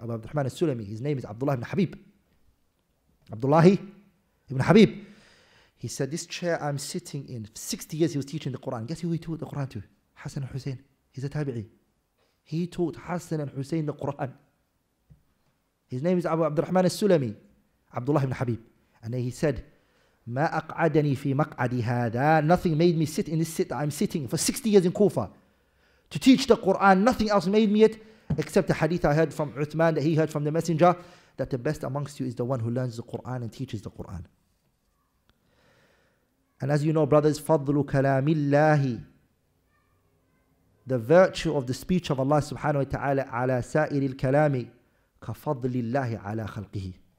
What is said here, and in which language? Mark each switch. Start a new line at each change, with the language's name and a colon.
English: Abu Abdul Rahman al-Sulami, his name is Abdullah ibn Habib. Abdullah ibn Habib. He said, this chair I'm sitting in, 60 years he was teaching the Quran. Guess who he taught the Quran to? Hassan al-Hussein. He's a tabi'i. He taught Hassan al-Hussein the Quran. His name is Abu Abdul Rahman al-Sulami, Abdullah ibn Habib.
Arabic: And then he said, ما أقعدني في مقعدي هذا.
English: Nothing made me sit in this seat I'm sitting for 60 years in Kufa to teach the Quran. Nothing else made me it except the hadith I heard from Uthman, that he heard from the messenger, that the best amongst you is the one who learns the Quran and teaches the Quran. And as you know, brothers,
Arabic: فضل كلام الله
English: the virtue of the speech of Allah subhanahu wa ta'ala
Arabic: ala sa'iril kalami kafadlillahi ala khalqihi.